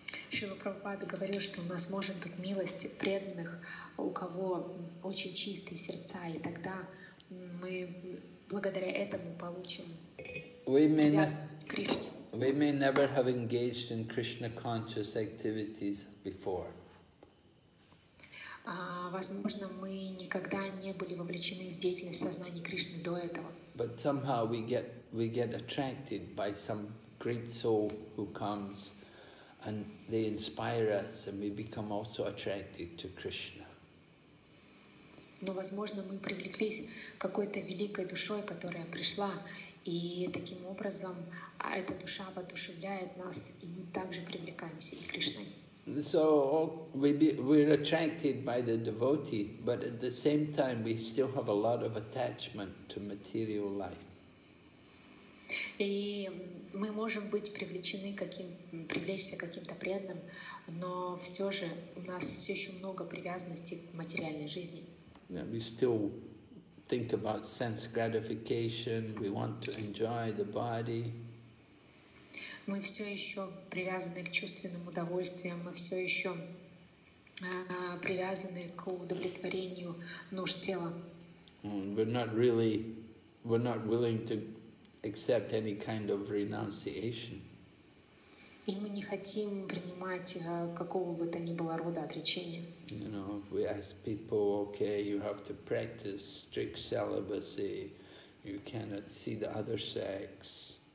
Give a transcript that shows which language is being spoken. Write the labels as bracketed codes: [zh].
[ru] Шрила Прабхупада говорил, что у нас может быть милость преданных, у кого очень чистые сердца, и тогда мы благодаря этому получим привязанность к Кришне. [en] We may never have engaged in Krishna conscious activities before. [ru] Возможно, мы никогда не были вовлечены в деятельность сознания Кришны до этого. [en] But somehow we get attracted by some great soul who comes and they inspire us and we become also attracted to Krishna. [ru] Но возможно, мы привлеклись какой-то великой душой, которая пришла. И таким образом эта душа воодушевляет нас, и мы также привлекаемся и Кришной. [en] So we're attracted by the devotee, but at the same time we still have a lot of attachment to material life. [ru] И мы можем быть привлечься каким-то преданным, но все же у нас все еще много привязанностей к материальной жизни. [en] Yeah, we still think about sense gratification, we want to enjoy the body. [ru] Мы все еще привязаны к чувственным удовольствиям, мы все еще привязаны к удовлетворению нужд тела. [en] We're not willing to accept any kind of renunciation. [ru] И мы не хотим принимать какого бы то ни было рода отречения. [en] You know, we ask people, okay, you have to practice strict celibacy, you cannot see the other sex.